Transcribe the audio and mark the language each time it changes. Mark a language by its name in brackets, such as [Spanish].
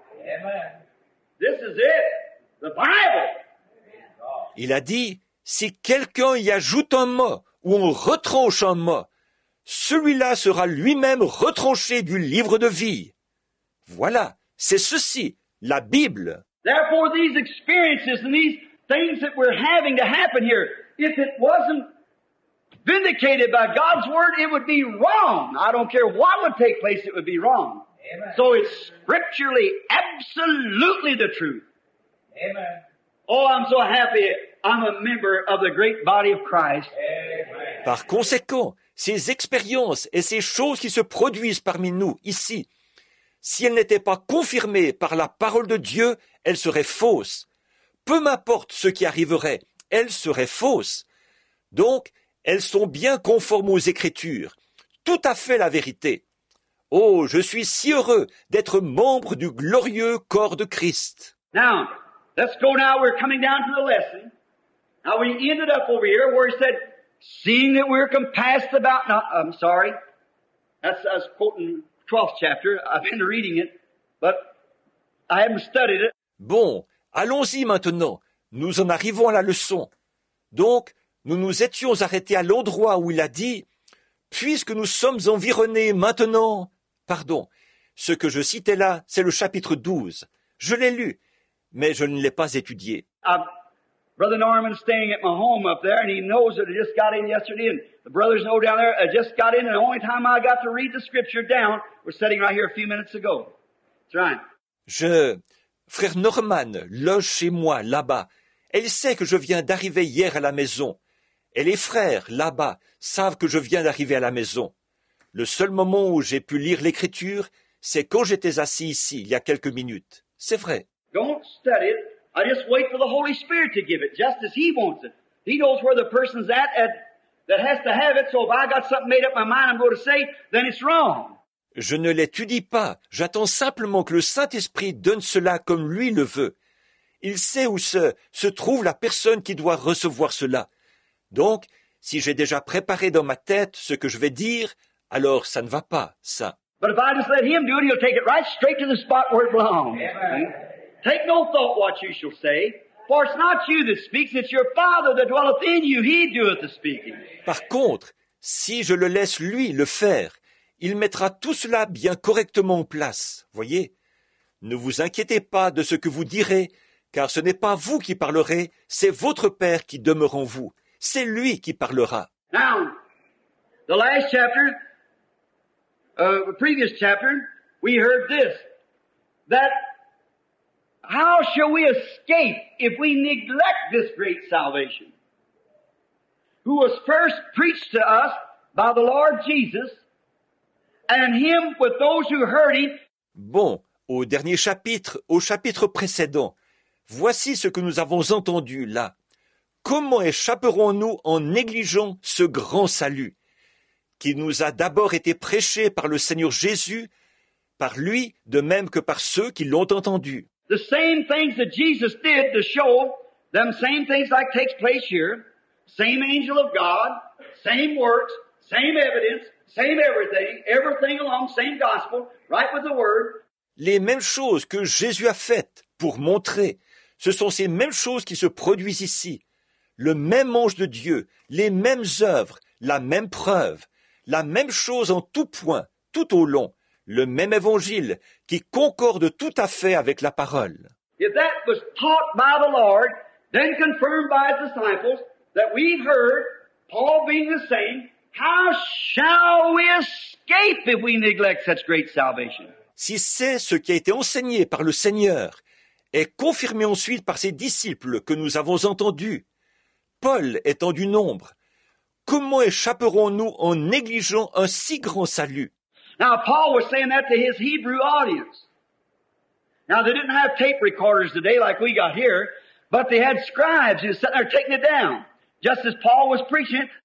[English] Amen. This is it, the Bible. [French] Il a dit, si quelqu'un y ajoute un mot ou en retranche un mot, celui-là sera lui-même retranché du livre de vie. Voilà, c'est ceci, la Bible. [English] Therefore, these experiences and these things that we're having to happen here, if it wasn't vindicated by God's word, it would be wrong. I don't care what would take place, it would be wrong. Amen. So it's scripturally, absolutely the truth. Amen. Oh, I'm so happy I'm a member of the great body of Christ. Amen. [French] Par conséquent, ces expériences et ces choses qui se produisent parmi nous ici, si elles n'étaient pas confirmées par la parole de Dieu, elles seraient fausses. Peu m'importe ce qui arriverait, elles seraient fausses. Donc, elles sont bien conformes aux Écritures, tout à fait la vérité. Oh, je suis si heureux d'être membre du glorieux corps de Christ. [English] Now, let's go now, we're coming down to the lesson. Now we ended up over here where he said, seeing that we're compassed about, not, I'm sorry, that's us quoting 12th chapter, I've been reading it, but I haven't studied it. [French] Bon, allons-y maintenant, nous en arrivons à la leçon. Donc, nous nous étions arrêtés à l'endroit où il a dit, puisque nous sommes environnés maintenant, pardon, ce que je citais là, c'est le chapitre 12. Je l'ai lu, mais je ne l'ai pas étudié. [English] Brother Norman's staying at my home up there, and he knows that I just got in yesterday, and the brothers know down there, I just got in, and the only time I got to read the scripture down, we're sitting right here a few minutes ago. That's right. [French] Frère Norman loge chez moi, là-bas. Elle sait que je viens d'arriver hier à la maison. Et les frères, là-bas, savent que je viens d'arriver à la maison. Le seul moment où j'ai pu lire l'écriture, c'est quand j'étais assis ici, il y a quelques minutes. C'est vrai. [English] Don't study it. I just wait for the Holy Spirit to give it, just as He wants it. He knows where the person's at that has to have it, so if I got something made up my mind I'm going to say, then it's wrong. [French] Je ne l'étudie pas. J'attends simplement que le Saint-Esprit donne cela comme lui le veut. Il sait où se trouve la personne qui doit recevoir cela. Donc, si j'ai déjà préparé dans ma tête ce que je vais dire, alors ça ne va pas, ça. [English] But if I just let him do it, he'll take it right straight to the spot where it belongs. Amen. Take no thought what you shall say, for it's not you that speaks, it's your Father that dwelleth in you, He doeth the speaking. [French] Par contre, si je le laisse lui le faire, il mettra tout cela bien correctement en place, voyez. Ne vous inquiétez pas de ce que vous direz, car ce n'est pas vous qui parlerez, c'est votre Père qui demeure en vous. C'est lui qui parlera. [English] Now, the last chapter, the previous chapter, we heard this, that how shall we escape if we neglect this great salvation, who was first preached to us by the Lord Jesus, and him with those who heard him. [French] Bon, au dernier chapitre, au chapitre précédent, voici ce que nous avons entendu là. Comment échapperons-nous en négligeant ce grand salut qui nous a d'abord été prêché par le Seigneur Jésus, par lui, de même que par ceux qui l'ont entendu? [English] The same things that Jesus did to show them, same things like takes place here, same angel of God, same works, same evidence, same everything, everything along, same gospel, right with the word. [French] Les mêmes choses que Jésus a faites pour montrer, ce sont ces mêmes choses qui se produisent ici. Le même ange de Dieu, les mêmes œuvres, la même preuve, la même chose en tout point, tout au long, le même évangile qui concorde tout à fait avec la parole. [English] If that was taught by the Lord, then confirmed by his disciples, that we've heard, Paul being the same, how shall we escape if we neglect such great salvation? [French] Si c'est ce qui a été enseigné par le Seigneur, et confirmé ensuite par ses disciples que nous avons entendus, Paul étant du nombre, comment échapperons-nous en négligeant un si grand salut? [English] Now, Paul was saying that to his Hebrew audience. Now, they didn't have tape recorders today like we got here, but they had scribes who were sitting there taking it down, just as Paul was preaching.